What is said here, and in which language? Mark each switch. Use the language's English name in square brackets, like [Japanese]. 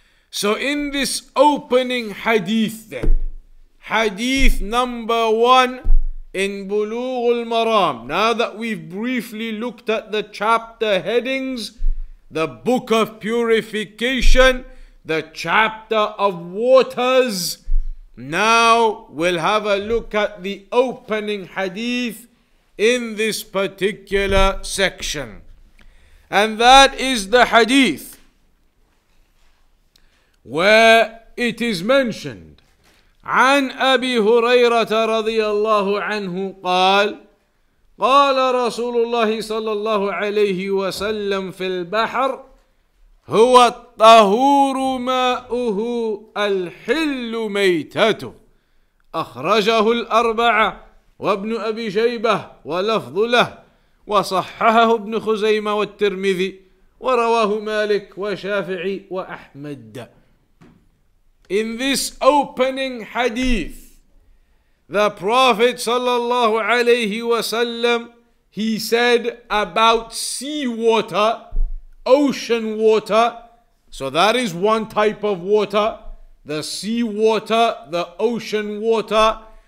[English] So in this opening hadith then, hadith number one in Bulugh Al-Maram, now that we've briefly looked at the chapter headings, the book of purification, the chapter of waters, now we'll have a look at the opening hadith in this particular section. And that is the hadith where it is mentioned, [Arabic] عن أبي هريرة رضي الله عنه قال قال رسول الله صلى الله عليه وسلم في البحر هو الطهور ماؤه الحل ميتته أخرجه الأربعة وابن أبي شيبة ولفظ له وصححه ابن خزيمة والترمذي ورواه مالك وشافعي وأحمد. [English] In this opening hadith, the Prophet sallallahu alayhi wasallam, he said about seawater, ocean water. So that is one type of water, the seawater, the ocean water.